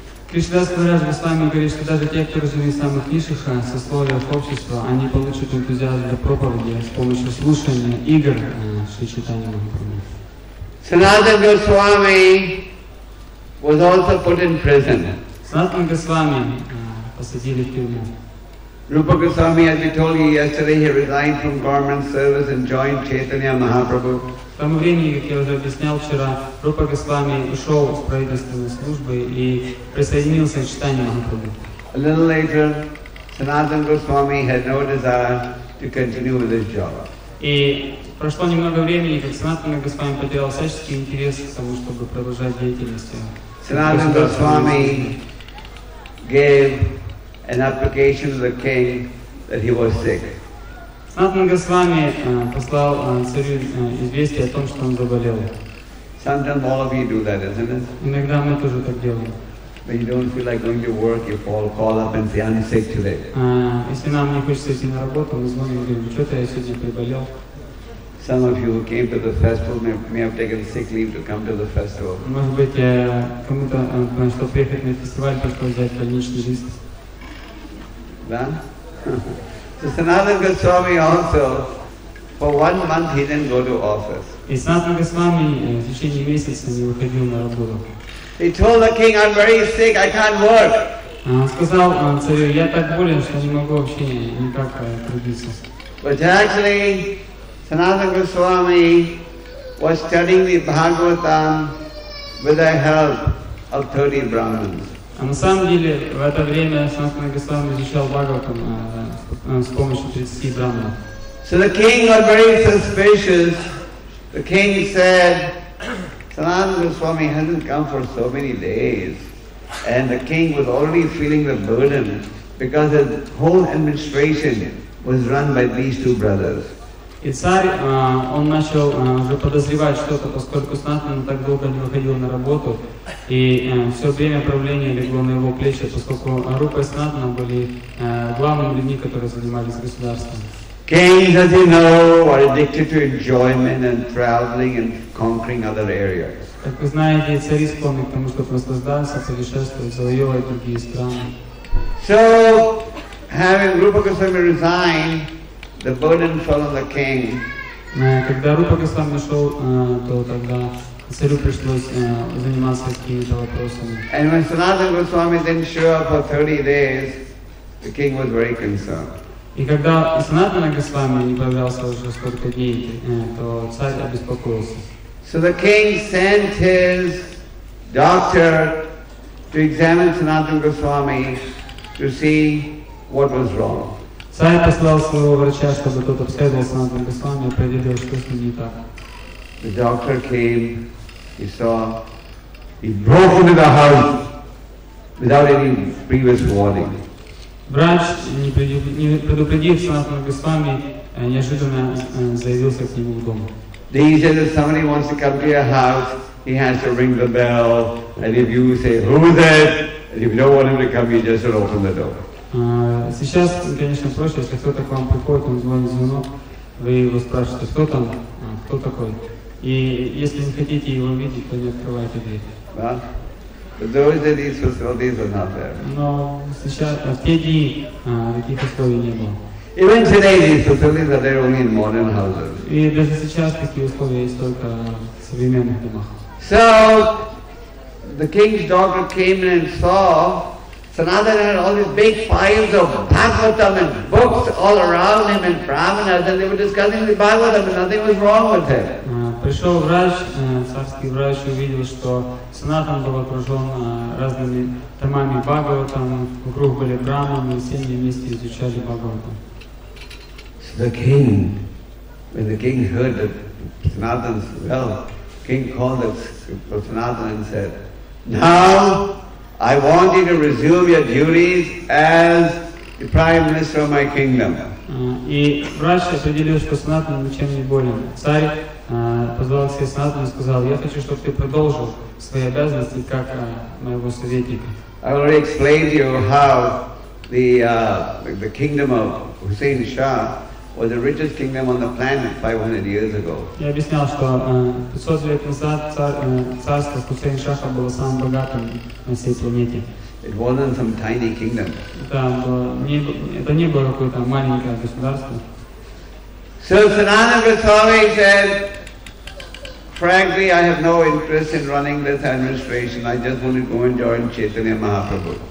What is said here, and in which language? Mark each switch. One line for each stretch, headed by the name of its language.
Russian: Кришна Кавираджа Госвами говорит, что даже те, кто родились из самых низших сословий общества, они получат энтузиазм для проповеди с помощью слушания игр Шри Чайтанья Махапрабху.
English: Санатан Госвами was also put in prison.
Russian: Санатан Госвами посадили в тюрьму.
English: Rupa Goswami, as we told you yesterday, he resigned from government service and joined Chaitanya Mahaprabhu.
Russian: В том времени, как я уже объяснял вчера, Рупа Госвами ушел с правительственной службы и присоединился к Чайтанье Махапрабху.
English: A little later, Sanatana Goswami had no desire to continue with his job.
Russian: И прошло немного времени, как Sanatana Goswami потерял всяческий интерес к тому, чтобы продолжать деятельность.
English: Sanatana Goswami gave an application to the king that he was sick.
Russian: Санатан Госвами послал царю известие о том, что он заболел.
English: Sometimes all of you do that, isn't it?
Russian: Иногда мы тоже так делаем.
English: When you don't feel like going to work, you call up and say, I'm sick today.
Russian: Если нам не хочется идти на работу, мы звоним и говорим, что-то я сегодня приболел.
English: Some of you who came to the festival may have taken sick leave to come to the festival.
Russian: Может быть, кому-то, чтобы приехать на фестиваль, пришлось взять больничный лист. Да?
English: So Sanatana Goswami also, for 1 month he didn't go to office.
Russian: И Санатана Госвами в течение месяца не выходил на работу.
English: He told the king, I'm very sick, I can't work.
Russian: Сказал царю, я так болен, что не могу вообще никак трудиться.
English: But actually, Sanatana Goswami was studying the Bhagavatam with the help of 30 Brahmins.
Russian: А на самом деле, в это время Санатана Госвами изучал Бхагаватам с помощью 30 брахманов.
English: So the king got very suspicious. The king said, Sanatana Goswami hasn't come for so many days. And the king was already feeling the burden because his whole administration was run by these two brothers.
Russian: И царь, он начал уже подозревать что-то, поскольку Санатана так долго не выходил на работу. И все время правления легло на его плечи, поскольку Рупа и Санатана были главными людьми, которые занимались государством.
English: Kings, as you know, are addicted to enjoyment and traveling and conquering other areas.
Russian: Как вы знаете, цари склонны к тому, чтобы наслаждаться, путешествовать, завоевывать другие страны.
English: So, having Rupa Goswami resign, the burden fell on the king.
Russian: Когда Рупа Госвами ушел, то тогда царю пришлось заниматься какими-то вопросами.
English: And when Sanatana Goswami didn't show up for 30 days, the king was very concerned.
Russian: И когда Санатана Госвами не появлялся уже сколько дней, то царь обеспокоился.
English: So the king sent his doctor to examine Sanatana Goswami to see what was wrong.
Russian: Царь послал своего врача, чтобы тот обследовал Санатана Госвами и определил, что с ним не так.
English: The doctor came, he saw, he broke into the house without any previous warning.
Russian: Врач, не предупредив Санатана Госвами, неожиданно заявился к нему в дом.
English: He said that somebody wants to come to your house, he has to ring the bell, and if you say, who is it? And if you don't want him to come, you just open the door.
Russian: Сейчас, конечно, проще, если кто-то к вам приходит, он звонит звонок, вы его спрашиваете, кто там, кто такой. И если не хотите его видеть, то не открывайте дверь. Но сейчас, в те дни, таких условий не было.
English: Even today these facilities are there only in modern houses.
Russian: И даже сейчас такие условия есть только в современных домах.
English: So, the king's daughter came in and saw Sanatana had all these big piles of Bhagavatam and books all around him and Brahmanas, and they were discussing the Bhagavatam and nothing was wrong with him.
Russian: Пришел врач, царский врач, увидел, что Санатан был окружен разными томами Бхагаватам, вокруг были Брахманы, все они вместе изучали Бхагаватам.
English: So the king, when the king heard of Sanatan's wealth, king called Sanatan and said, now I want you to resume your duties as the prime minister of my kingdom.
Russian: И врач определил, что Санатан ничем не болен. Царь позвал к себе Санатана и сказал, я хочу, чтобы ты продолжил свои обязанности как моего советника.
English: I already explained to you how the kingdom of Hussein Shah was the richest kingdom on the planet 500 years ago.
Russian: Я объяснял, что 500 лет назад царство Хусейн Шаха было самым богатым на всей планете.
English: It wasn't some tiny kingdom.
Russian: Это не было какое-то маленькое государство.
English: So Sanatana Goswami said, frankly, I have no interest in running this administration. I just want to go and join Chaitanya Mahaprabhu.